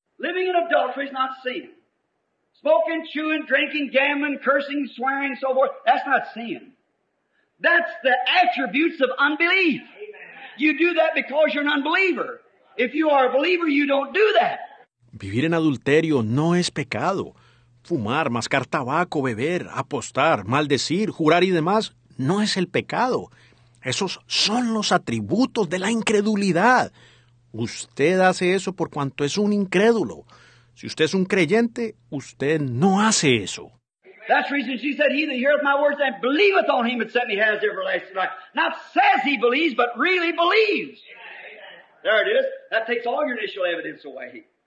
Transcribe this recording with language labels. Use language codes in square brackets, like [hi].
[en] Living in adultery is not sin. Smoking, chewing, drinking, gambling, cursing, swearing, so forth, that's not sin. That's the attributes of unbelief. You do that because you're an unbeliever. If you are a believer, you don't do that. [es] Vivir en adulterio no es pecado. Fumar, mascar tabaco, beber, apostar, maldecir, jurar y demás no es el pecado. Esos son los atributos de la incredulidad. Usted hace eso por cuanto es un incrédulo. Si usted es un creyente, usted no hace eso. [en] That's the reason she said, he that heareth my words and believeth on him that sent me has everlasting life. Not says he believes, but really believes. There it is. That takes all your initial evidence away.